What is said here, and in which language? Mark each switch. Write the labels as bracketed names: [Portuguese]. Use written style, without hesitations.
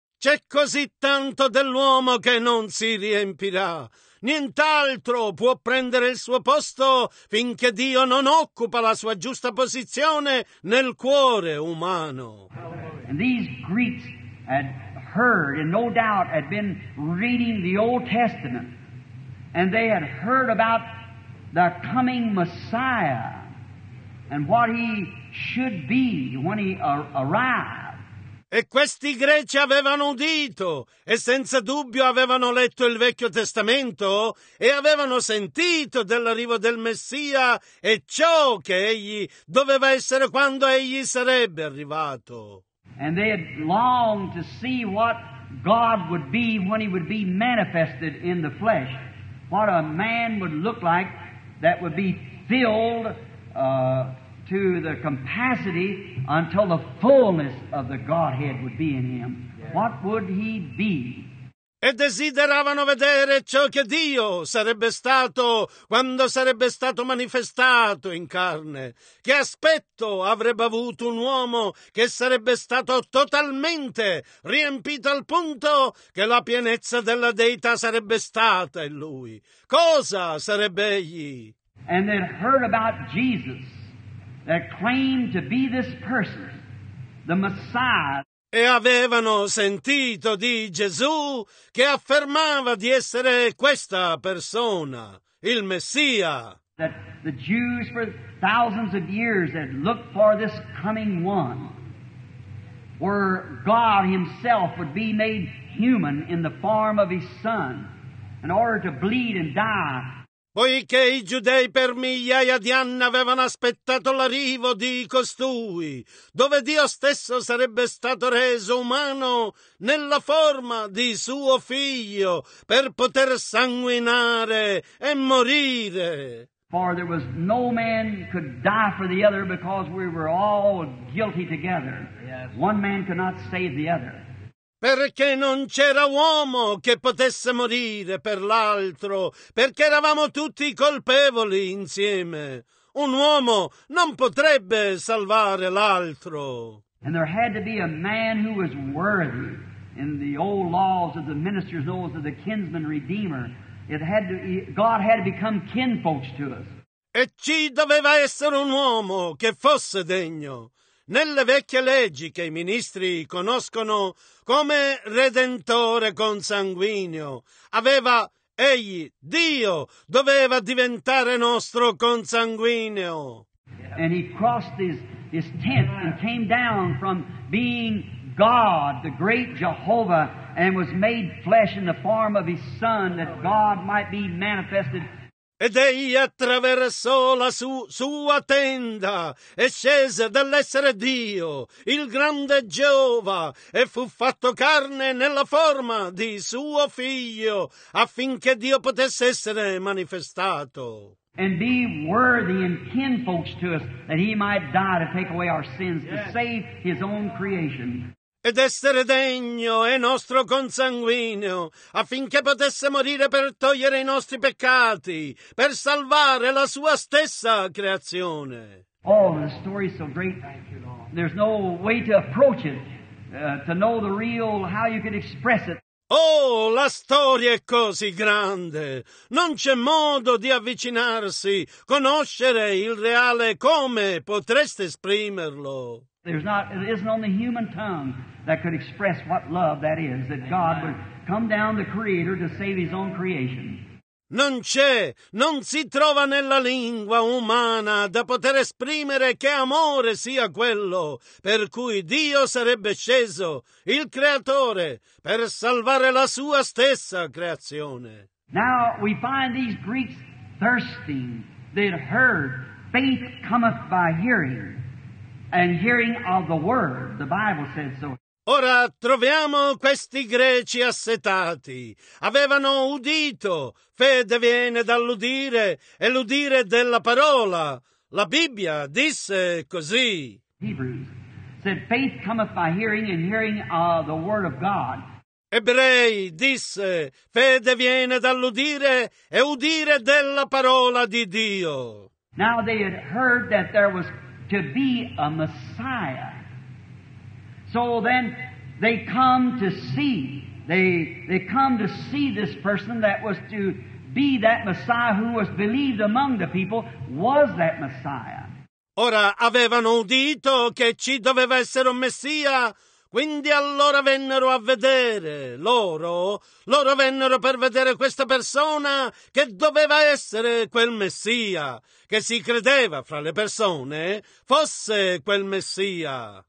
[Italian] C'è così tanto dell'uomo che non si riempirà. Nient'altro può prendere il suo posto finché Dio non occupa la sua giusta posizione nel cuore umano. [English] And these Greeks had heard, and no doubt had been reading the Old Testament, and they had heard about the coming Messiah and what he should be when he arrived. [Italian] E questi greci avevano udito e senza dubbio avevano letto il Vecchio Testamento e avevano sentito dell'arrivo del Messia e ciò che egli doveva essere quando egli sarebbe arrivato. [English] And they had longed to see what God would be when he would be manifested in the flesh, what a man would look like that would be filled to the capacity until the fullness of the Godhead would be in him. What would he be? [Italian] E desideravano vedere ciò che Dio sarebbe stato quando sarebbe stato manifestato in carne. Che aspetto avrebbe avuto un uomo che sarebbe stato totalmente riempito al punto che la pienezza della Deità sarebbe stata in lui? Cosa sarebbe egli? [English] And then heard about Jesus, that claimed to be this person, the Messiah. [Italian] E avevano sentito di Gesù che affermava di essere questa persona, il Messia. [English] That the Jews for thousands of years had looked for this coming one, where God himself would be made human in the form of his son, in order to bleed and die. [Italian] Poiché i giudei per migliaia di anni avevano aspettato l'arrivo di costui, dove Dio stesso sarebbe stato reso umano nella forma di suo figlio per poter sanguinare e morire. [English] For there was no man could die for the other because we were all guilty together. One man could not save the other. [Italian] Perché non c'era uomo che potesse morire per l'altro, perché eravamo tutti colpevoli insieme. Un uomo non potrebbe salvare l'altro. [English] And there had to be a man who was worthy in the old laws of the ministers, those of the kinsman redeemer. God had to become kinfolks to us. [Italian] E ci doveva essere un uomo che fosse degno. Nelle vecchie leggi che i ministri conoscono come redentore consanguineo, aveva egli, Dio, doveva diventare nostro consanguineo. [English] And he crossed his tent and came down from being God, the great Jehovah, and was made flesh in the form of his son, that God might be manifested. [Italian] Ed egli attraversò la sua tenda e scese dall'essere Dio, il grande Geova, e fu fatto carne nella forma di suo figlio, affinché Dio potesse essere manifestato. [English] And be worthy and kin folks to us, that he might die to take away our sins, yes, to save his own creation. [Italian] Ed essere degno è nostro consanguineo, affinché potesse morire per togliere i nostri peccati, per salvare la sua stessa creazione. [English] Oh, the story is so great. There's no way to approach it, to know the real, how you can express it. [Italian] Oh, la storia è così grande. Non c'è modo di avvicinarsi, conoscere il reale, come potreste esprimerlo. [English] There's not, it isn't on the human tongue that could express what love that is, that God would come down the Creator to save His own creation. [Italian] Non c'è, non si trova nella lingua umana da poter esprimere che amore sia quello per cui Dio sarebbe sceso, il Creatore, per salvare la sua stessa creazione. [English] Now we find these Greeks thirsting. They'd heard, faith cometh by hearing. And hearing of the word, the Bible says so. [Italian] Ora troviamo questi greci assetati. Avevano udito. Fede viene dall'udire, e l'udire della parola. La Bibbia disse così. [English] Hebrews said, faith cometh by hearing, and hearing of the word of God. [Italian] Ebrei disse, fede viene dall'udire, e udire della parola di Dio. [English] Now they had heard that there was to be a Messiah. So then they come to see. They come to see this person that was to be that Messiah who was believed among the people, was that Messiah. [Italian] Ora avevano udito che ci doveva essere un Messia, quindi allora vennero a vedere. Loro vennero per vedere questa persona che doveva essere quel Messia, che si credeva fra le persone fosse quel Messia.